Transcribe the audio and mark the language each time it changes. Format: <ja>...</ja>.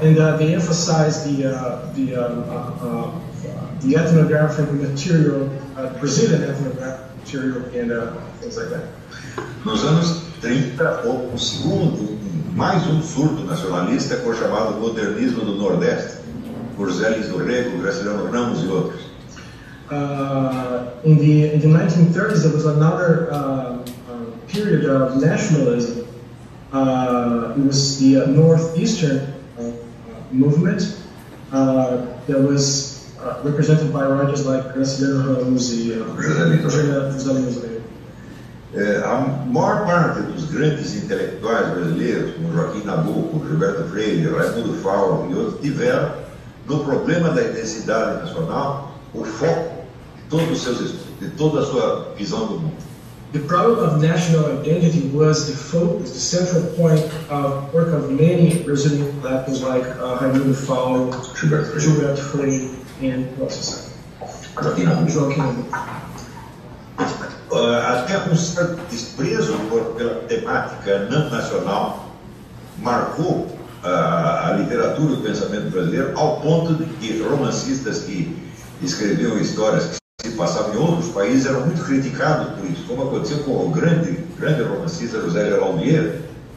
<en>And they emphasized the ethnographic material, Brazilian ethnographic material, and things like that.</en> <pt>Nos anos 30, houve um segundo, mais um surto nacionalista com o chamado Modernismo do Nordeste, por Zé Luiz do Rego, Graciliano Ramos e outros.</pt> <en>In the 1930s, there was another period of nationalism. It was the Northeastern movement that was represented by writers like Graciliano Ramos e Zé Luiz do Rego.</en> <pt>A maior parte dos grandes intelectuais brasileiros, como Joaquim Nabuco, Gilberto Freire, Raimundo Faul e outros, tiveram, no problema da identidade nacional, o foco de todos os seus estudos, de toda a sua visão do mundo.</pt> <en>The problem of national identity was the focus, the central point of work of many Brazilian intellectuals like Raimundo Faul, Gilberto Freire and Joaquim Nabuco.</en> <pt>Até um certo desprezo pela temática não nacional marcou a literatura e o pensamento brasileiro ao ponto de que romancistas que escreviam histórias que se passavam em outros países eram muito criticados por isso, como aconteceu com o grande romancista José Geraldo Vieira.</pt>